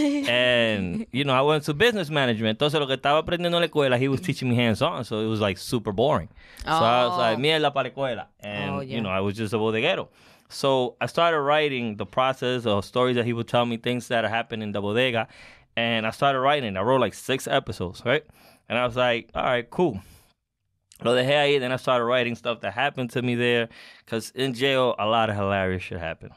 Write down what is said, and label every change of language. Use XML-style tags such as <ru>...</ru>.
<en>And, you know, I went to business management.</en> <es>Entonces, lo que estaba aprendiendo en la escuela,</es> <en>he was teaching me hands-on. So it was, like, super boring. So I was like,</en> <es>mierda para la escuela.</es> <en>And, you know, I was just a bodeguero. So I started writing the process of stories that he would tell me, things that happened in the bodega. And I started writing. I wrote like 6 episodes, right? And I was like, all right, cool.</en> <es>Lo dejé ahí.</es> <en>Then I started writing stuff that happened to me there. Because in jail, a lot of hilarious shit happened.</en>